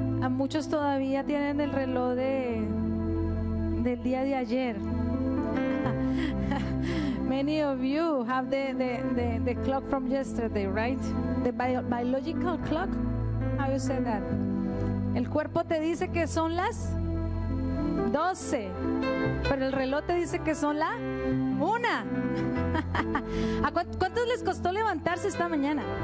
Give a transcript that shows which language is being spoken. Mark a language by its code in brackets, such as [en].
[es] Muchos todavía tienen el reloj del día de ayer. [en] Many of you have the clock from yesterday, right? The biological clock. How you say that? [es] El cuerpo te dice que son las 12, pero el reloj te dice que son la 1. ¿A cuántos les costó levantarse esta mañana?